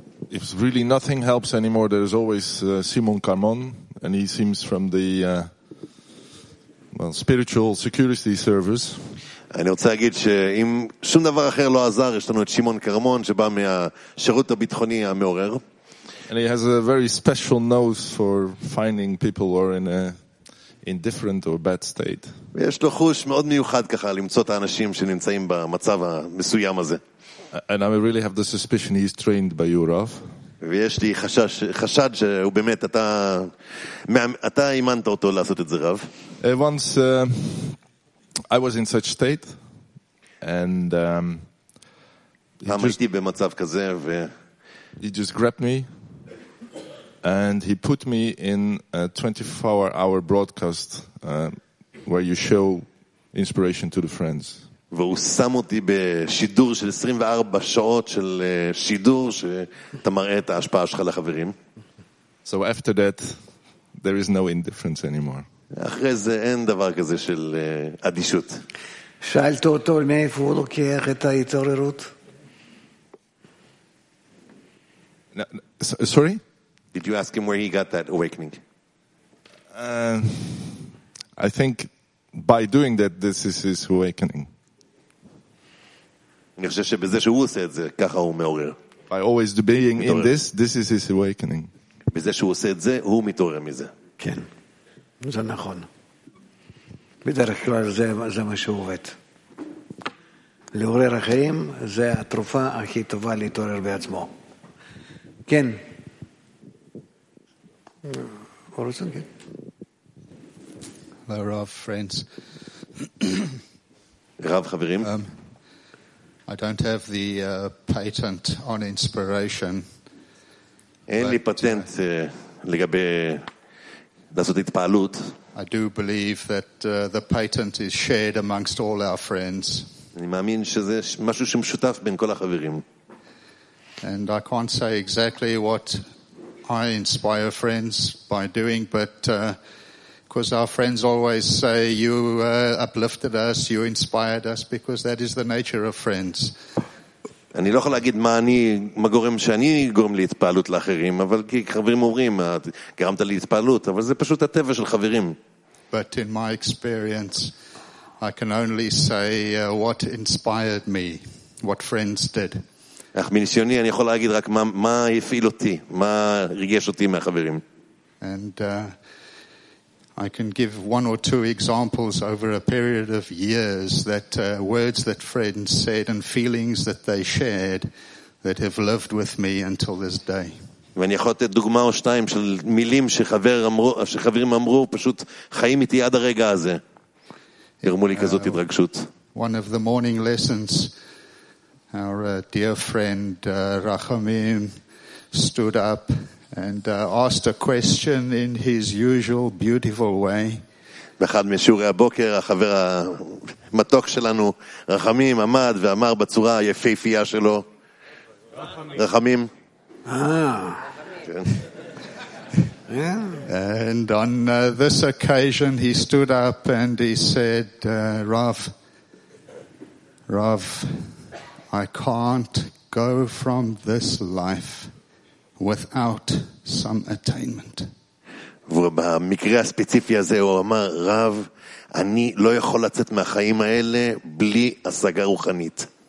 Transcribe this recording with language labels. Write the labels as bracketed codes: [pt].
[en] If really nothing helps anymore, there is always Simon Carmon, and he seems from the spiritual security service. [he] אני רוצה להגיד שאם שום דבר אחר לא עזר, יש לנו את שמעון קרמון שבא מהשירות הביטחוני המעורר. [en] And he has a very special nose for finding people who are in a indifferent or bad state. [he] ויש לו חוש מאוד מיוחד ככה למצוא את האנשים שנמצאים במצב המסוים הזה. [en] And I really have the suspicion he's trained by Yurov. [he] ויש לי חשד שהוא באמת אתה אימנת אותו לעשות את זה, רב. [en] Once I was in such state and [he] הייתי במצב כזה ו [en] he just grabbed me and he put me in a 24-hour broadcast where you show inspiration to the friends. [he] והוא שם אותי בשידור של 24 שעות של שידור שאתה מראה את ההשפעה שלך לחברים. [en] So after that there is no indifference anymore. [he] אחרי זה אין דבר כזה של אדישות. שאלת אותו מאיפה הוא לוקח את ההתעוררות? [en] No, sorry? Did you ask him where he got that awakening? I think by doing that this is his awakening. [he] אני חושב שבזה שהוא עושה את זה, ככה הוא מעורר. [en] By always being in this, this is his awakening. [he] בזה שהוא עושה את זה, הוא מתעורר מזה. כן. זה נכון. בדרך כלל זה מה שהוא עובד. לעורר החיים, זה התרופה הכי טובה להתעורר בעצמו. כן. אורסון, כן. [en] Hello, Rav, friends. [he] רב, חברים. [en] I don't have the patent on inspiration. [he] אין לי פטנט לגבי לעשות התפעלות. [en] I do believe that the patent is shared amongst all our friends. [he] אני מאמין שזה משהו שמשותף בין כל החברים. [en] And I can't say exactly what I inspire friends by doing, but because our friends always say you uplifted us, you inspired us, because that is the nature of friends. [he] אני לא יכול להגיד מה אני, מה גורם שאני גורם להתפעלות לאחרים, אבל כי חברים אומרים, גרמת להתפעלות, אבל זה פשוט הטבע של חברים. [en] But in my experience, I can only say what inspired me, what friends did. [he] אך מניסיוני, אני יכול להגיד רק מה הפעיל אותי, מה ריגש אותי מהחברים. [en] And I can give one or two examples over a period of years that words that friends said and feelings that they shared that have lived with me until this day. [he] ואני יכול לתת דוגמה או שתיים של מילים שחברים אמרו פשוט חיים איתי עד הרגע הזה. גרמו לי כזאת התרגשות. [en] One of the morning lessons, our dear friend Rachamim stood up and asked a question in his usual beautiful way. [he] באחד משיעורי הבוקר החבר המתוק שלנו רחמים עמד ואמר בצורה היפהפייה שלו, רחמים. [en] And on this occasion he stood up and he said, Rav, I can't go from this life without some attainment. [he] ובמקרה הספציפי הזה הוא אמר, רב, אני לא יכול לצאת מהחיים האלה בלי השגה רוחנית.